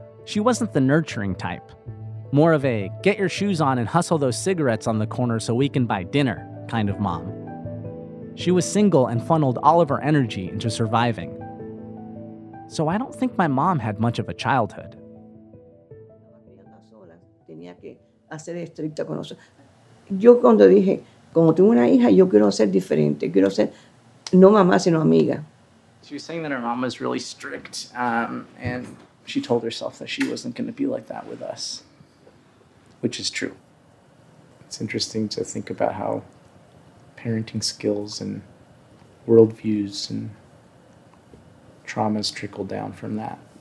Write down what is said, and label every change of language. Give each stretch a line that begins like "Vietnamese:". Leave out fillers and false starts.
English: She wasn't the nurturing type. More of a get your shoes on and hustle those cigarettes on the corner so we can buy dinner kind of mom. She was single and funneled all of her energy into surviving. So I don't think my mom had much of a childhood.
Spanish: Tenía que hacer estricta con nosotros. Yo cuando dije, como tengo una hija, yo quiero ser diferente. Quiero ser no mamá, sino amiga.
English: She was saying that her mom was really strict, and she told herself that she wasn't going to be like that with us, which is true. It's interesting to think about how parenting skills and worldviews and traumas trickle down from that.